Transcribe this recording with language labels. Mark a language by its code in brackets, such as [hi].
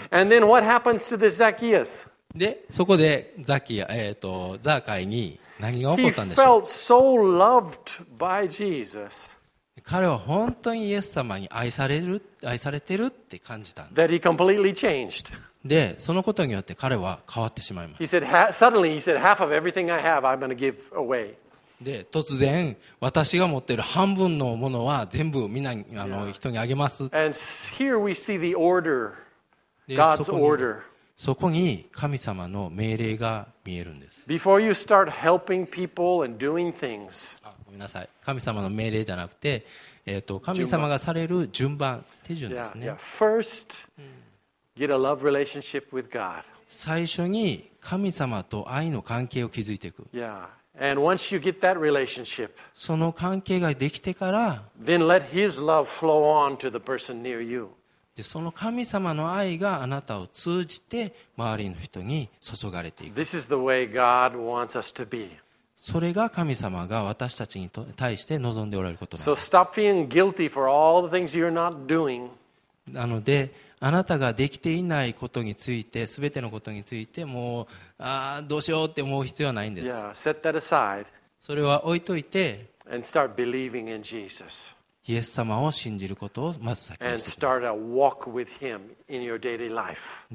[en] And then what happens to the Zacchaeus? [ja] で、そこでザキヤ、ザーカイに何が起こったんでしょう。 [en] He felt so loved by Jesus. [ja] 彼は本当にイエス様に愛されてるって感じたんです。 [en] That he completely changed. [ja] でそのことによって彼は変わってしまいました。 [en] Suddenly he said, half of everything I have, I'm going to give away. [ja] で突然私が持っている半分のものは全部みんな人にあげます。 [en] And here we see the order, God's order. [ja] そこに神様の命令が見えるんです。 [en] Before you start helping people and doing things. [ja] あ、ごめんなさい。神様の命令じゃなくて、神様がされる順番、手順ですね。 [en] First, get a love relationship with God. [ja] 最初に神様と愛の関係を築いていく。 [en] Yeah. And once you get that relationship, [ja] その関係ができてから、 [en] then let His love flow on to the person near you. [ja] でその神様の愛があなたを通じて周りの人に注がれていく。 [en] This is the way God wants us to be. [ja] それが神様が私たちに対して望んでおられることなんです。 [en] So stop feeling guilty for all the things you're not doing. [ja] なのであなたができていないことについて、すべてのことについて、もうどうしようって思う必要はないんです。 [en] Yeah, set that aside. [ja] それは置いといて。 [en] And start believing in Jesus. [ja] イエス様を信じることをまず先にしてください。